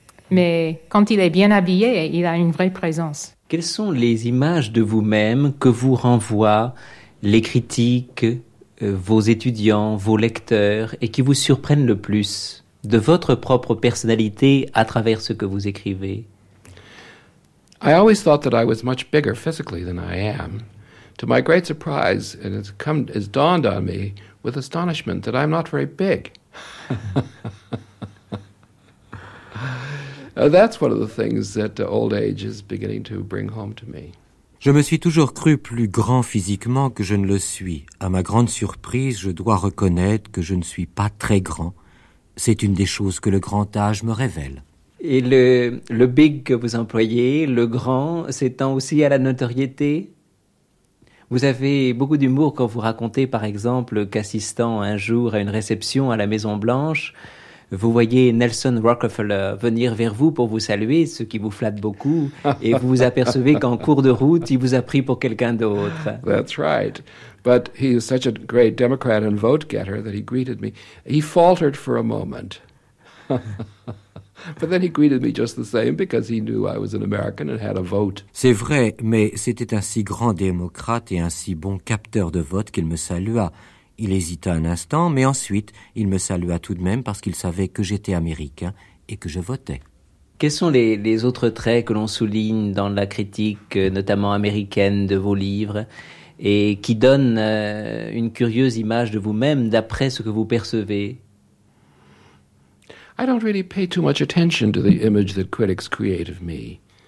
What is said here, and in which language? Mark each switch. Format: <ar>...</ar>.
<fr>Mais quand il est bien habillé, il a une vraie présence. Quelles sont les images de vous-même que vous renvoient les critiques, vos étudiants, vos lecteurs, et qui vous surprennent le plus de votre propre personnalité à travers ce que vous écrivez?</fr> <en>I always thought that I was much bigger physically than I am. To my great surprise, and it's dawned on me with astonishment that I'm not very big. That's one of the things that old age is beginning to bring home to me.</en> <fr>Je me suis toujours cru plus grand physiquement que je ne le suis. À ma grande surprise, je dois reconnaître que je ne suis pas très grand. C'est une des choses que le grand âge me révèle. Et le big que vous employez, le grand, s'étend aussi à la notoriété? Vous avez beaucoup d'humour quand vous racontez, par exemple, qu'assistant un jour à une réception à la Maison-Blanche, vous voyez Nelson Rockefeller venir vers vous pour vous saluer, ce qui vous flatte beaucoup, et vous vous apercevez qu'en cours de route, il vous a pris pour quelqu'un d'autre.</fr> <en>That's right. But he is such a great Democrat and vote-getter that he greeted me. He faltered for a moment. But then he greeted me just the same because he knew I was an American and had a vote.</en> <fr>C'est vrai, mais c'était un si grand démocrate et un si bon capteur de vote qu'il me salua. Il hésita un instant, mais ensuite, il me salua tout de même parce qu'il savait que j'étais américain et que je votais. Quels sont les autres traits que l'on souligne dans la critique, notamment américaine, de vos livres et qui donnent une curieuse image de vous-même d'après ce que vous percevez?</fr> <en>I don't really pay too much attention to the image that critics create of me.</en>